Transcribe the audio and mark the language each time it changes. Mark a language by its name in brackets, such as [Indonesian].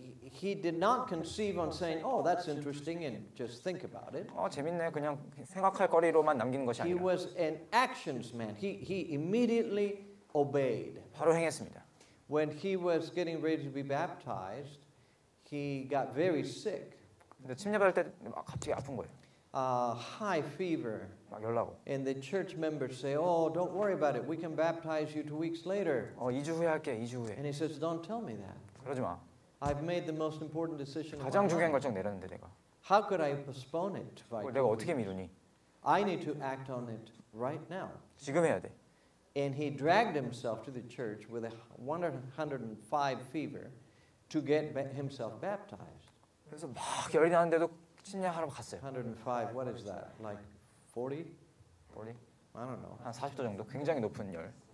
[English] He did not conceive on saying, "Oh, that's interesting," and just think about it. [Korean] 재밌네. 그냥 생각할 거리로만 남기는 것이 아니라. [English] He was an actions man. He immediately obeyed. [Korean] 바로 행했습니다. [English] When he was getting ready to be baptized, he got very sick. [Korean] 근데 침례 받을 때 막 갑자기 아픈 거예요. [English] High fever. [Korean] 막 열나고. [English] And the church members say, "Oh, don't worry about it. We can baptize you 2 weeks later." [Korean] 2주 후에 할게. 2주 후에. [English] And he says, "Don't tell me that." [Korean] 그러지 마. [English] I've made the most important decision. [Korean] 가장 중요한 결정 내렸는데 내가. [English] How could I postpone it? [Korean] 내가 어떻게 미루니? [English] I need to act on it right now. [Korean] 지금 해야 돼. [English] And he dragged himself to the church with a 105 fever to get himself baptized. [Korean] 그래서 막 열이 나는데도 침례하러 갔어요. [English] 105, what is that? Like 40? [Korean] 40? [English] I don't know. [Korean] 한 40도 정도, 굉장히 높은 열.